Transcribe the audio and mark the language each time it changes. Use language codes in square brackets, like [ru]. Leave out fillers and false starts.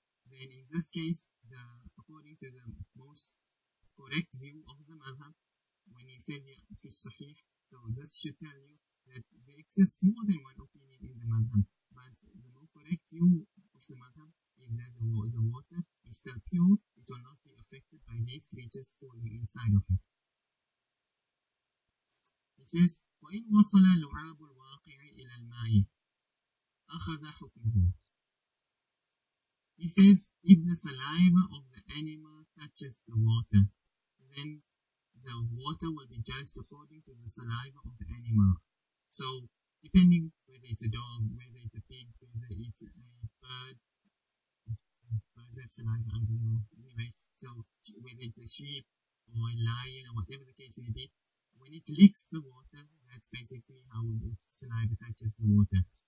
[en] then in this case, according to the most correct view of the mother, when you tell you it is sahih, so this should tell you that there exists more than one opinion in the madhab. But the more correct view of the madhab is that the water is still pure, it will not be affected by these creatures falling inside of it. It says, [ar] وَإِنْ وَصَلَ لُعَابُ الْوَاقِعِ إِلَى الْمَاءِ أَخَذَ حُكْمُهُ. [en] He says, if the saliva of the animal touches the water, then the water will be judged according to the saliva of the animal. So, depending whether it's a dog, whether it's a pig, whether it's a bird, birds have saliva, I don't know, anyway, so whether it's a sheep or a lion or whatever the case may be, when it licks the water, that's basically how the saliva touches the water.